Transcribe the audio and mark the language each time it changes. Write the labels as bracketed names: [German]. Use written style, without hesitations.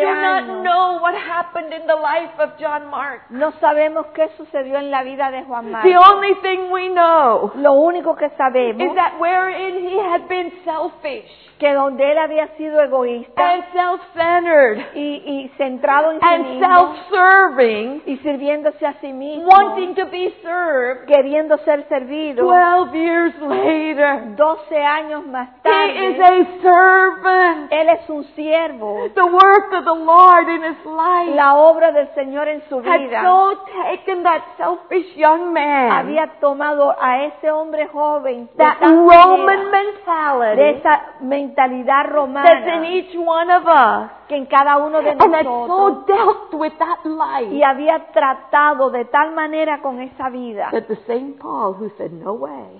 [English] We do not know what happened in the life of John Mark. [Spanish] No sabemos qué sucedió en la vida de Juan Mark. [English] The only thing we know. [Spanish] Lo único que sabemos. [English] Is that wherein he had been selfish. [Spanish] Que donde él había sido egoísta. [English] And self-centered. [Spanish] Y centrado en sí [English] and [Spanish] mismo. [English] And self-serving. [Spanish] Y sirviéndose a sí mismo. [English] Wanting to be served. [Spanish] Queriendo ser servido. [English] 12 years later. [Spanish] 12 años más tarde. [English] He is a servant. [Spanish] Él es un siervo. [English] The work of the Lord in his life. [Spanish] La obra del Señor en su vida. [English] Had so taken that selfish young man. [Spanish] Había tomado a ese hombre joven. [English] That Roman mentality. [Spanish] De esa mentalidad romana. [English] That's in each one of us. [Spanish] Que en cada uno de nosotros. [English] And had so dealt with that life. [Spanish] Y había tratado de tal manera con esa vida. [English] That the same Paul who said no way.